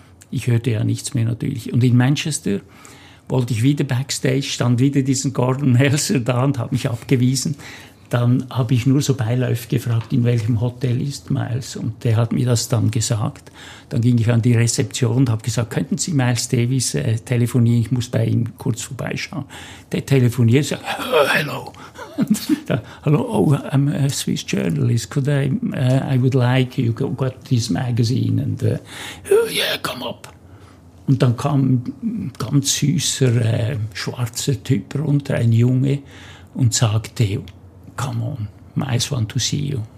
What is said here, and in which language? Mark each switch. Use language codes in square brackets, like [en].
[de] Ich hörte ja nichts mehr natürlich. Und in Manchester wollte ich wieder backstage, stand wieder diesen Gordon Melzer da und habe mich abgewiesen. Dann habe ich nur so beiläufig gefragt, in welchem Hotel ist Miles? Und der hat mir das dann gesagt. Dann ging ich an die Rezeption und habe gesagt, könnten Sie Miles Davis telefonieren? Ich muss bei ihm kurz vorbeischauen. Der telefoniert und sagt, [en] hello. Hello, oh, I'm a Swiss journalist. Could I would like, you got this magazine. And yeah, come up. [de] Und dann kam ein ganz süßer, schwarzer Typ runter, ein Junge, und sagte, [en] come on, Miles want to see you.